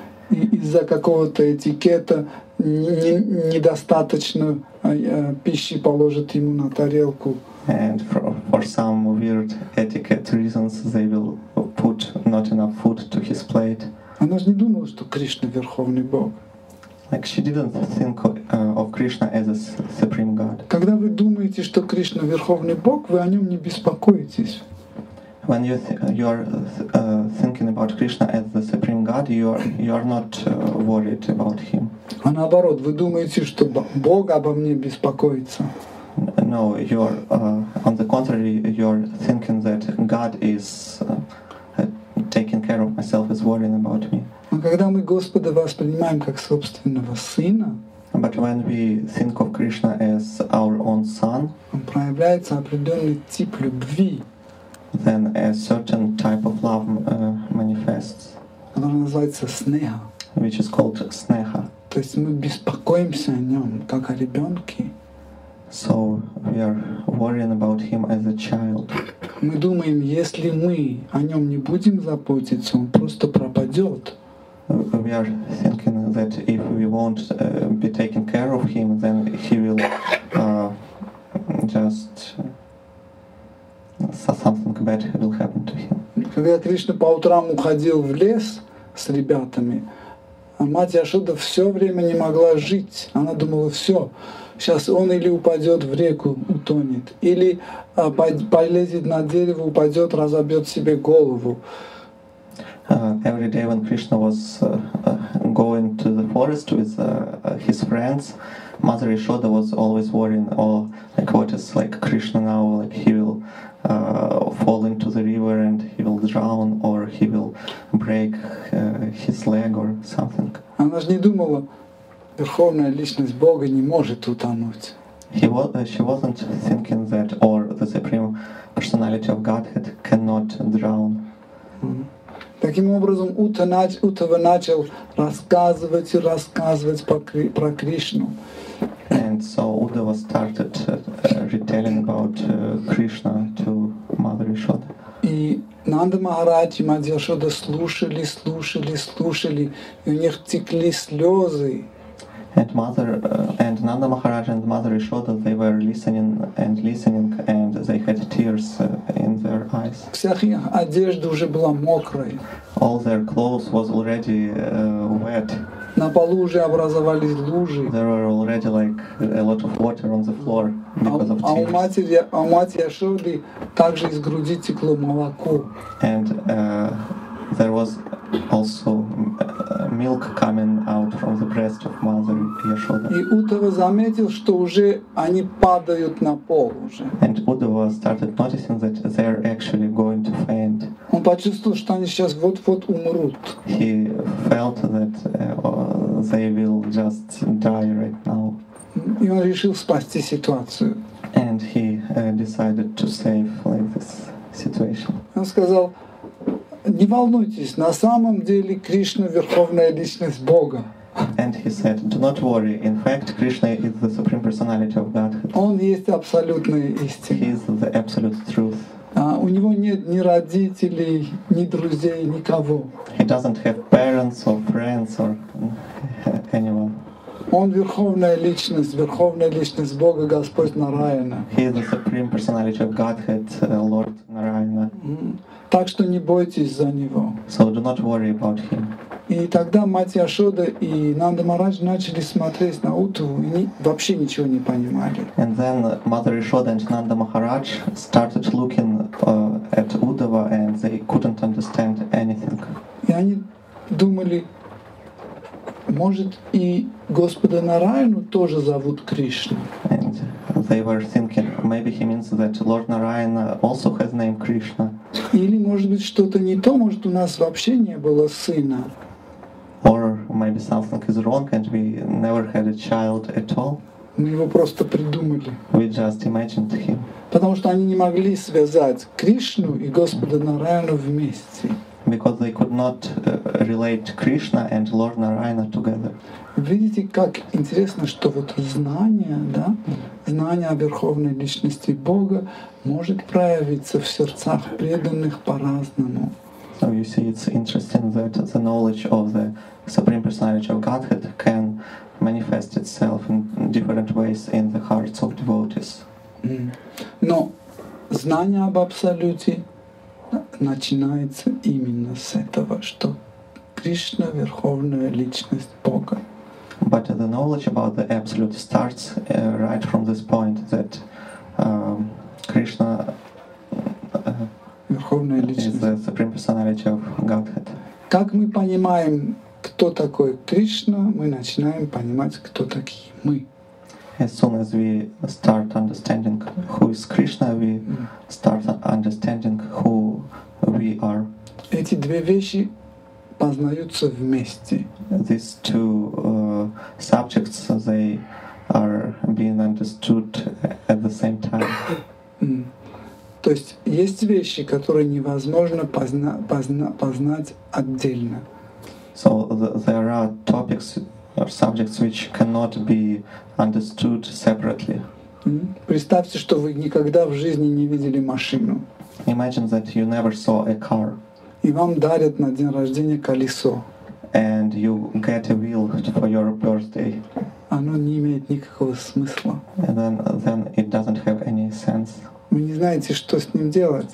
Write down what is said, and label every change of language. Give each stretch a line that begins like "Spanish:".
Russian: Из-за какого-то этикета недостаточно пищи положат ему на тарелку.
English: And for some weird etiquette reasons, they will put not enough food to his plate.
Russian: Она же не думала, что Кришна верховный бог.
English: Like she didn't think of Krishna as a supreme god.
Russian: Когда вы думаете, что Кришна верховный бог, вы о нем не беспокоитесь.
English: When you are thinking about Krishna as the supreme god, you are not worried about him.
Russian: А наоборот, вы думаете, что Бог обо мне беспокоится?
English: No, you are on the contrary, you are thinking that God is taking care of myself, is worrying about me.
Russian: Но когда мы Господа воспринимаем как собственного сына,
English: but when we think of Krishna as our own son,
Russian: он проявляется определенный тип любви.
English: Then a certain type of love manifests.
Russian: Она называется снеха.
English: Which is called снеха.
Russian: То есть мы беспокоимся о нем, как о ребенке.
English: So we are worrying about him as a child.
Russian: Мы думаем, если мы о нем не будем заботиться, он просто пропадет.
English: We are thinking that if we won't be taking care of him, then he will just. Something bad will happen to him.
Russian: Когда Кришна по утрам уходил в лес с ребятами, мать Яшода все время не могла жить. Она думала, все, сейчас он или упадет в реку, утонет, или полезет на дерево, упадет, разобьет себе голову.
English: Every day when Krishna was going to the forest with his friends, Mother Yashoda was always worrying, Krishna now, like he will fall into the river and he will drown, or he will break his leg or something.
Russian: Она же не думала, верховная личность Бога не может утонуть.
English: She wasn't thinking that, or the supreme personality of Godhead cannot drown. Mm-hmm.
Russian: Таким образом, Утава начал рассказывать и рассказывать про Кришну.
English: And so Uddhava started retelling about Krishna to Mother Yashoda.
Russian: И Нанда Махарадж и Мать Яшода слушали, и у них текли слезы.
English: And Nanda Maharaj and Mother Yashoda, they were listening, and they had tears in their eyes.
Russian: Вся их одежда уже была мокрой.
English: All their clothes was already wet.
Russian: На полу уже образовались лужи.
English: There were already like a lot of water on the floor because of tears.
Russian: А у мать Яшоды также из груди текло молоко.
English: And there was also milk coming out from the breast of Mother Yashoda.
Russian: И Уддхава заметил, что уже они падают на пол уже.
English: And Uddhava started noticing that they are actually going to faint.
Russian: Он почувствовал, что они сейчас вот-вот умрут.
English: He felt that they will just die right now.
Russian: И он решил спасти ситуацию.
English: And he decided to save like this situation.
Russian: Он сказал: не волнуйтесь, на самом деле Кришна — верховная личность Бога.
English: And he said, do not worry, in fact, Krishna is the supreme personality of Godhead.
Russian: Он есть абсолютная истина.
English: He is the absolute truth.
Russian: У него нет ни родителей, ни друзей, никого.
English: He doesn't have parents or friends or anyone.
Russian: Он верховная личность Бога, Господь Нараяна.
English: He is the supreme personality of Godhead, Lord Narayana.
Russian: Так что не бойтесь за него.
English: So do not worry about him.
Russian: И тогда мать Яшода и Нанда Махарадж начали смотреть на Уддхаву и вообще ничего не понимали.
English: And then Mother Yashoda and Nanda Maharaj started looking at Uddhava and they couldn't understand anything.
Russian: И они думали, может, и Господа Нараяну тоже зовут Кришна.
English: And they were thinking maybe he means that Lord Narayana also has name Krishna.
Russian: Или может быть что-то не то, может у нас вообще не было сына.
English: Or maybe something is wrong and we never had a child at all.
Russian: Мы его просто придумали.
English: We just imagined him.
Russian: Потому что они не могли связать Кришну и Господа Нараяну вместе.
English: Because they could not relate Krishna and Lord Narayana together.
Russian: Видите, как интересно, что вот знание, да, знание о Верховной Личности Бога может проявиться в сердцах преданных по-разному.
English: So you see, it's interesting that the knowledge of the Supreme Personality of Godhead can manifest itself in different ways in the hearts of devotees. Mm.
Russian: Но знание об Абсолюте начинается именно с этого, что Кришна — Верховная Личность Бога.
English: But the knowledge about the Absolute starts right from this point that Krishna
Russian: Верховная Личность.
English: Is the Supreme Personality of Godhead.
Russian: Как мы понимаем, кто такой Кришна, мы начинаем понимать, кто такие мы.
English: As soon as we start understanding who is Krishna, we start understanding who we are.
Russian: Эти две вещи познаются вместе.
English: These two subjects, they are being understood at the same time. Mm.
Russian: То есть есть вещи, которые невозможно познать отдельно.
English: So there are topics or subjects which cannot be understood separately. Mm-hmm.
Russian: Представьте, что вы никогда в жизни не видели машину.
English: Imagine that you never saw a car.
Russian: И вам дарят на день рождения колесо.
English: And you get a wheel for your birthday.
Russian: Оно не имеет никакого смысла.
English: And then it doesn't have any sense.
Russian: Вы не знаете, что с ним делать.